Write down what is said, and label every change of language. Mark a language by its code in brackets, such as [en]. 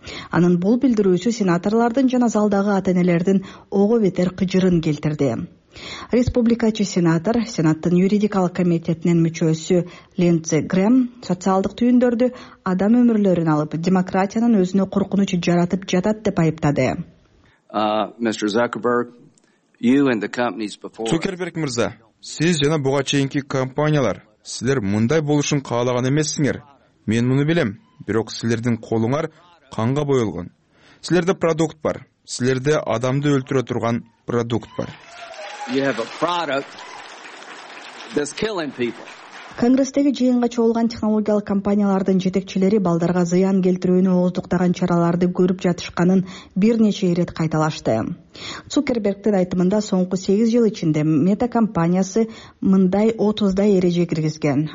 [ky] Анын бул билдирүүсү сенаторлордун жана залдагы ата-энелердин ого бетер кыжырын келтирди. Республикачы сенатор, Сенаттын юридикалык комитетинин мүчөсү Линдси Грэм социалдык түйүндөрдү адам өмүрлөрүн алып, демократиянын өзүнө коркунуч жаратып жатат деп айыптады. [en] Mr. Zuckerberg, you and the companies before. [ky] Цукерберг мырза, сиз жана буга чейинки компаниялар, силер мындай болушун каалаган эмессиңер. Мен муну билем, бирок силердин колуңар канга боелгон. Силерде продукт бар, силерде адамды өлтүрө турган продукт бар. [en] You have a product that's killing people. [ky] Конгресстеги жыйынга чогулган технологиялык компаниялардын жетекчилери балдарга зыян келтирүүнү ооздуктаган чараларды көрүп жатышканын бир нече ирет кайталашты. Цукербергдин айтымында соңку 8 жыл ичинде Мета компаниясы мындай 30 эреже киргизген.